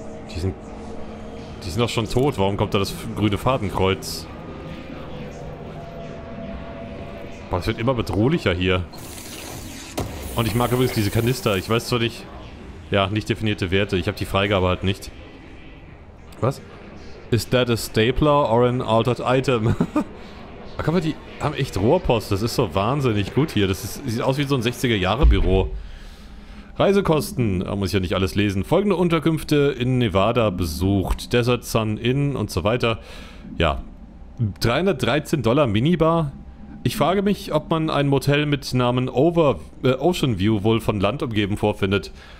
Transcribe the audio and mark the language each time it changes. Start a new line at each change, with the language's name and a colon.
German: Die sind doch schon tot. Warum kommt da das grüne Fadenkreuz? Boah, es wird immer bedrohlicher hier. Und ich mag übrigens diese Kanister. Ich weiß zwar nicht... Ja, nicht definierte Werte. Ich habe die Freigabe halt nicht. Was?
English: Is that a stapler or an altered item?
German: Ach, guck mal, die haben echt Rohrpost. Das ist so wahnsinnig gut hier. Das sieht aus wie so ein 60er-Jahre-Büro. Reisekosten. Da muss ich ja nicht alles lesen. Folgende Unterkünfte in Nevada besucht. Desert Sun Inn und so weiter. Ja. $313 Minibar. Ich frage mich, ob man ein Motel mit Namen Ocean View wohl von Land umgeben vorfindet.